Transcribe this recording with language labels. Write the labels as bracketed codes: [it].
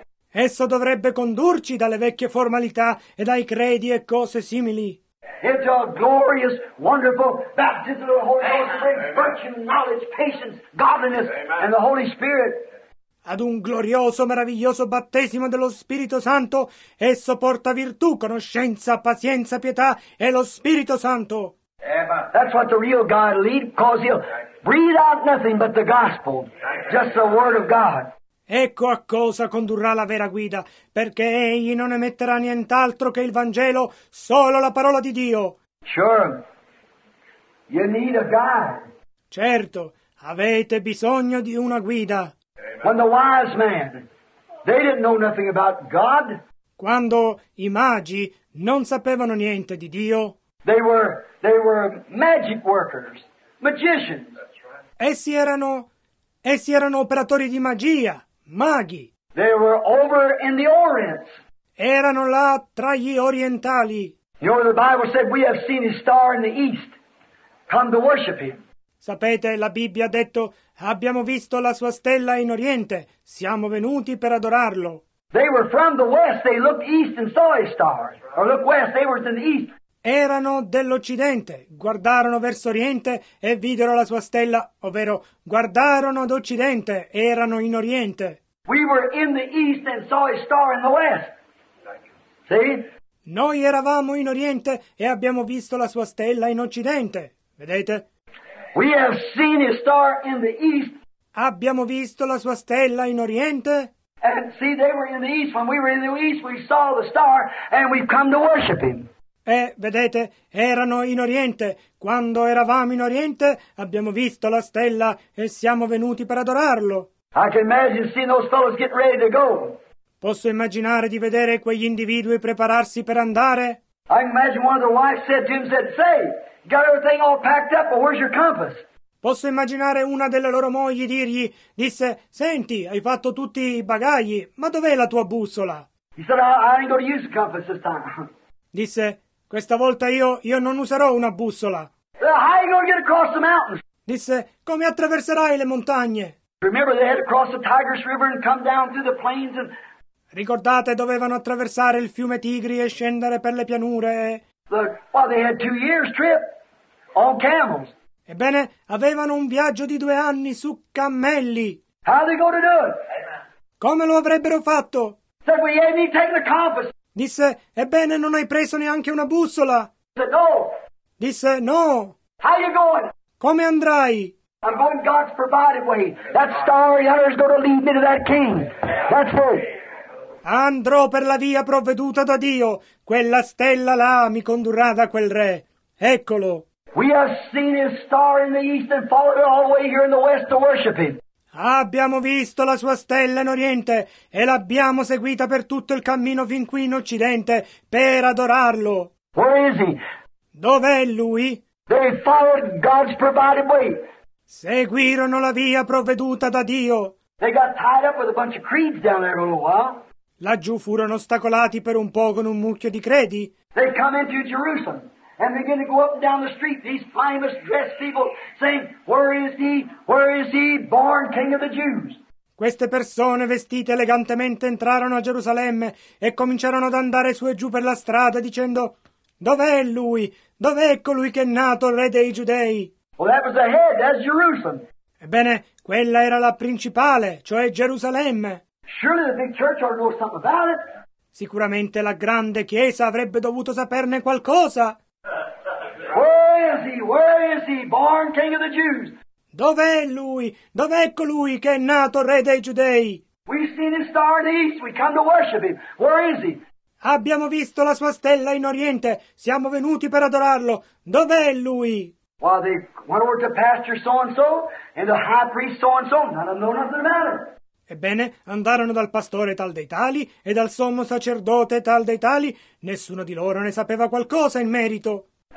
[it] Esso dovrebbe condurci dalle vecchie formalità e dai credi e cose simili. [en] It's a glorious, wonderful baptism of the Holy Ghost, virtue, knowledge, patience, godliness, and the Holy Spirit. [it] Ad un glorioso, meraviglioso battesimo dello Spirito Santo, esso porta virtù, conoscenza, pazienza, pietà e lo Spirito Santo. [en] That's what the real God leads, cause he'll breathe out nothing but the gospel, just the word of God. [it] Ecco a cosa condurrà la vera guida, perché egli non emetterà nient'altro che il Vangelo, solo la parola di Dio. [en] Sure. You need a guide. [it] Certo, avete bisogno di una guida. [en] When the wise men, they didn't know nothing about God. [it] Quando i magi non sapevano niente di Dio. [en] They were magic workers, magicians. [it] Essi erano operatori di magia, maghi. [en] They were over in the Orient. [it] Erano là tra gli orientali. [en] You know, the Bible said we have seen his star in the east. Come to worship him. [it] Sapete, la Bibbia ha detto, abbiamo visto la sua stella in Oriente, siamo venuti per adorarlo. [en] They were from the west, they looked east and saw his star. Or look west, they were in the east. [it] Erano dell'Occidente, guardarono verso Oriente e videro la sua stella, ovvero guardarono ad Occidente, erano in Oriente. [en] We were in the east and saw his star in the west. See? [it] Noi eravamo in Oriente e abbiamo visto la sua stella in Occidente, vedete? [en] We have seen his star in the east. [it] Abbiamo visto la sua stella in Oriente. [en] And see, they were in the east. When we were in the east, we saw the star and we've come to worship him. [it] E vedete, erano in Oriente. Quando eravamo in Oriente, abbiamo visto la stella e siamo venuti per adorarlo. [en] I can imagine seeing those fellows get ready to go. [it] Posso immaginare di vedere quegli individui prepararsi per andare? [en] I can imagine one of the wives said to him, said, say, got everything all packed up, but where's your compass? [it] Posso immaginare una delle loro mogli dirgli, disse, senti, hai fatto tutti i bagagli, ma dov'è la tua bussola? [en] He said, oh, I ain't gonna use the compass this time. [it] Disse, questa volta io non userò una bussola. [en] Well, how are you gonna get across the mountains? [it] Disse, come attraverserai le montagne? [en] Remember they had to cross the Tigris River and come down through the plains and... [it] Ricordate, dovevano attraversare il fiume Tigri e scendere per le pianure e... [en] Look, well, they had 2 years trip on camels. [it] Ebbene, avevano un viaggio di 2 anni su cammelli. [en] How are they going to do it? [it] Come lo avrebbero fatto? [en] Said, well, you didn't take the compass. [it] Disse, ebbene, non hai preso neanche una bussola. [en] Said, no. [it] Disse, no. [en] How are you going? [it] Come andrai? [en] I'm going God's provided way. That star yonder is going to lead me to that king. That's it. [it] Andrò per la via provveduta da Dio. Quella stella là mi condurrà da quel re. Eccolo. [en] We have seen his star in the east and followed it all the way here in the west to worship him. [it] Abbiamo visto la sua stella in Oriente e l'abbiamo seguita per tutto il cammino fin qui in Occidente per adorarlo. [en] Where is he? [it] Dov'è lui? [en] They followed God's provided way. [it] Seguirono la via provveduta da Dio. [en] They got tied up with a bunch of creeds down there for a little while. [it] Laggiù furono ostacolati per un po' con un mucchio di credi. [en] They come into Jerusalem and begin to go up and down the street, these famous dressed people saying, where is he? Where is he? Born king of the Jews. [it] Queste persone vestite elegantemente entrarono a Gerusalemme e cominciarono ad andare su e giù per la strada dicendo, dov'è lui? Dov'è colui che è nato il re dei Giudei? [en] Well, that was the head, that's Jerusalem. [it] Ebbene, quella era la principale, cioè Gerusalemme. [en] Surely the big church ought to know something about it. [it] Sicuramente la grande chiesa avrebbe dovuto saperne qualcosa. [en] Where is he? Where is he? Born king of the Jews. [it] Dov'è lui? Dov'è colui che è nato re dei Giudei? [en] We've seen his star in the east. We come to worship him. Where is he? [it] Abbiamo visto la sua stella in Oriente. Siamo venuti per adorarlo. Dov'è lui? [en] Well, they went over to pasture so-and-so and the high priest so-and-so. None of them know nothing about it. [it] Ebbene, andarono dal pastore tal dei tali e dal sommo sacerdote tal dei tali. Nessuno di loro ne sapeva qualcosa in merito.